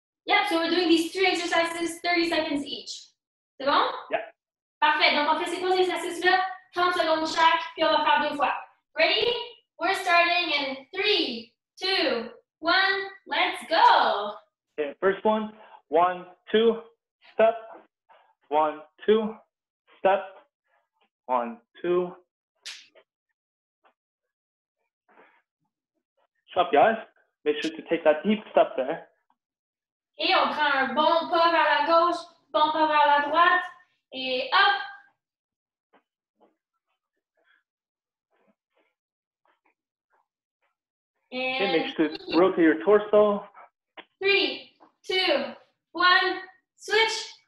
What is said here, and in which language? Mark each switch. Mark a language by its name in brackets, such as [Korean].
[English] Yeah, so we're doing these three exercises, 30 seconds each. [French] C'est bon? [English] Yeah. [French] Parfait. Donc, on fait ces trois exercices-là, 30 secondes chaque, puis on va faire deux fois. [English] Ready? We're starting in 3, 2, 1, let's go! Okay, first one, 1-2, step, 1-2, step, 1-2. Stop, guys. Make sure to take that deep step there. [French] Et on prend un bon pas vers la gauche, bon pas vers la droite. Et hop! [English] Yeah, And make sure to rotate your torso. 3, 2, 1, switch.